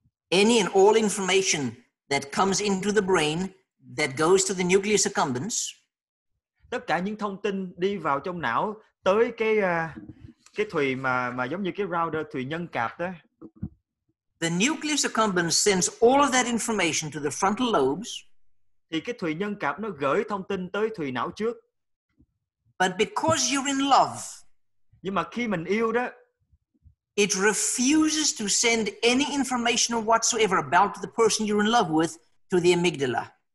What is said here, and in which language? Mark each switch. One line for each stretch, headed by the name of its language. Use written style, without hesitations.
English: Any and all information that comes into the brain that goes to the nucleus accumbens.
Vietnamese: Tất cả những thông tin đi vào trong não tới cái thùy mà giống như cái router thùy nhân cạp đó.
English: The nucleus accumbens sends all of that information to the frontal lobes.
Vietnamese: Thì cái thùy nhân cạp nó gửi thông tin tới thùy não trước.
English: But because you're in love,
Vietnamese: nhưng mà khi mình yêu đó,
English: it refuses to send any information whatsoever about the person you're in love with to the amygdala.